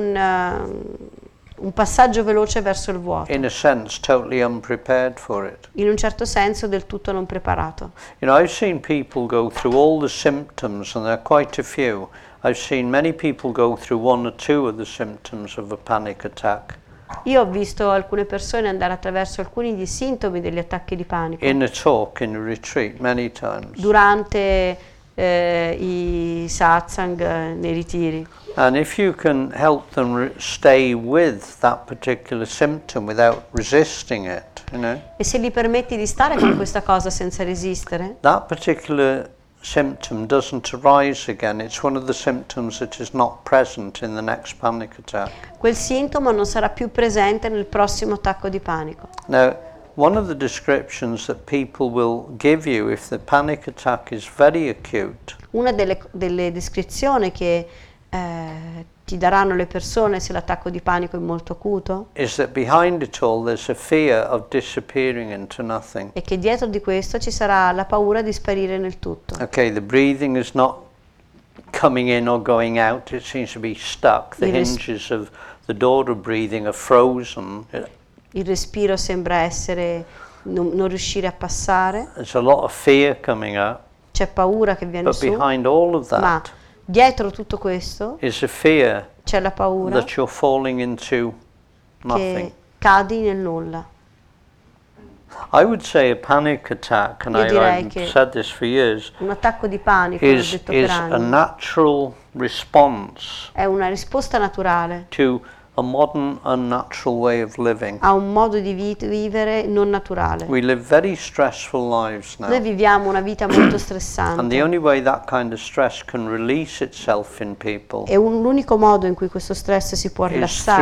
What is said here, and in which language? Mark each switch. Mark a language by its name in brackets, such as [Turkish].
[Italian] È come un passaggio veloce verso il vuoto. [English] In a sense, totally unprepared for it. [Italian] In un certo senso del tutto non preparato. [English] You know, I've seen people go through all the symptoms, and there are quite a few. I've seen many people go through one or two of the symptoms of a panic attack. [Italian] Io ho visto alcune persone andare attraverso alcuni dei sintomi degli attacchi di panico. [English] In a talk, in a retreat, many times. [Italian] Durante i satsang, nei ritiri. [English] And if you can help them stay with that particular symptom without resisting it, you know. [Italian] E se gli permetti di stare con questa cosa senza resistere? [English] That particular symptom doesn't arise again. It's one of the symptoms that is not present in the next panic attack. [Italian] Quel sintomo non sarà più presente nel prossimo attacco di panico. [English] Now, one of the descriptions that people will give you if the panic attack is very acute. [Italian] Una delle descrizioni che ti daranno le persone se l'attacco di panico è molto acuto [English] is that behind it all there's a fear of disappearing into nothing. [Italian] E che dietro di questo ci sarà la paura di sparire nel tutto. [English] Okay, the breathing is not coming in or going out, it seems to be stuck. The hinges of the door of breathing are frozen. [Italian] Il respiro sembra essere non riuscire a passare. [English] There's a lot of fear coming up. [Italian] C'è paura che viene [English] but [Italian] su. [English] Behind all of that, [Italian] ma dietro tutto questo [English] is a fear, [Italian] c'è la paura [English] that you're falling into nothing. [Italian] Che cadi nel nulla. [English] I would say a panic attack, and I've said this for years, [Italian] un attacco di panico, [English] is, [Italian] l'ho detto [English] is [Italian] per anni. [English] A natural response, [Italian] è una risposta naturale, [English] to a modern unnatural way of living. [Italian] A un modo di vivere non naturale. [English] We live very stressful lives now. [Italian] Noi viviamo una vita molto stressante. [English] And the only way that kind of stress can release itself in people. [Italian] E l'unico modo in cui questo stress si può rilassare.